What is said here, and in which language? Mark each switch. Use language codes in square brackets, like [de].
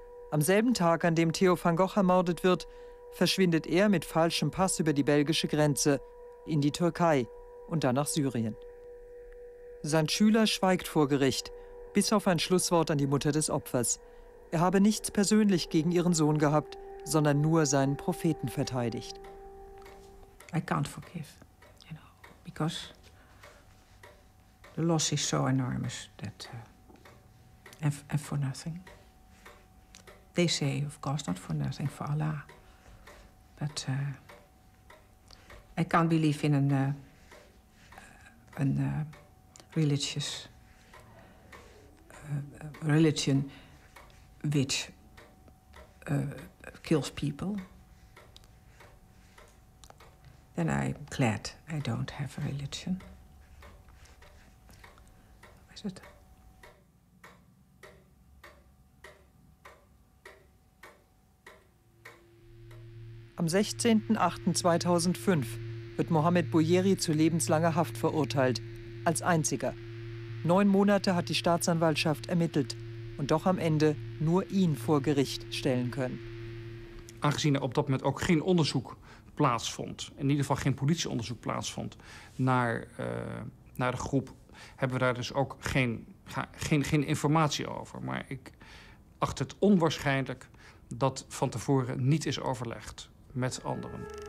[de] Am selben Tag, an dem Theo van Gogh ermordet wird, verschwindet er mit falschem Pass über die belgische Grenze in die Türkei und dann nach Syrien. Sein Schüler schweigt vor Gericht, bis auf ein Schlusswort an die Mutter des Opfers. Er habe nichts persönlich gegen ihren Sohn gehabt, sondern nur seinen Propheten verteidigt. [en] I can't forgive, you know, because the loss is so enormous that and for nothing. They say, of course, not for nothing, for Allah. But I can't believe in a religion which kills people. Then I'm glad I don't have a religion. Is it? [de] Am 16.08.2005 wird Mohamed Bouyeri zu lebenslanger Haft verurteilt, als einziger. 9 Monate hat die Staatsanwaltschaft ermittelt und doch am Ende nur ihn vor Gericht stellen können. [nl] Aangezien er op dat moment ook geen onderzoek plaatsvond, in ieder geval geen politieonderzoek plaatsvond naar de groep, hebben we daar dus ook geen informatie over. Maar ik acht het onwaarschijnlijk dat van tevoren niet is overlegd met anderen.